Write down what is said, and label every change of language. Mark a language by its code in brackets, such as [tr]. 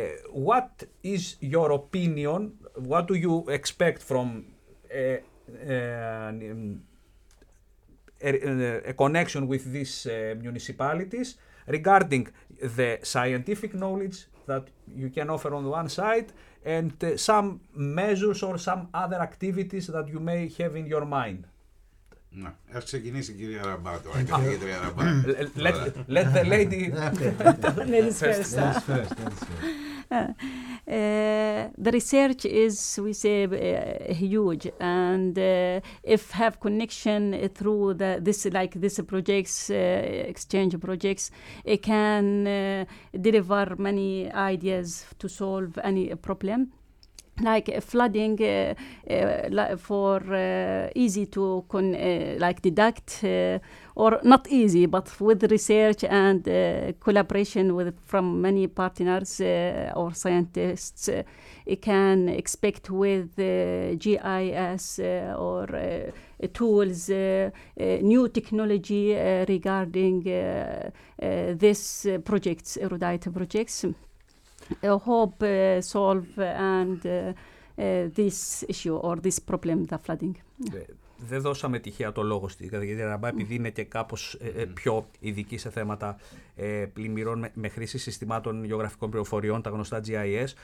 [en] What is your opinion? What do you expect from a connection with these municipalities regarding the scientific knowledge that you can offer on the one side and some measures or some other activities that you may have in your mind. [el] Να, ας ξεκινήσει η κυρία Ραμπάτο, αν και η κυρία Ραμπάτο. [en] Let the lady... Ladies first. Ladies first, ladies first. The research is, we say, huge, and if have connection through the, this, like this projects, exchange projects, it can deliver many ideas to solve any problem. Like flooding, for easy to like deduct, or not easy, but with research and collaboration with from many partners or scientists, it can expect with GIS or tools, new technology regarding this projects, erudite projects. I hope solve and this issue or this problem, the flooding. [el] Δεν δώσαμε τυχαία το λόγο στην καταγγελία Ραμπά, επειδή είναι και κάπως πιο ειδική σε θέματα πλημμυρών με χρήση συστημάτων γεωγραφικών πληροφοριών, τα γνωστά GIS.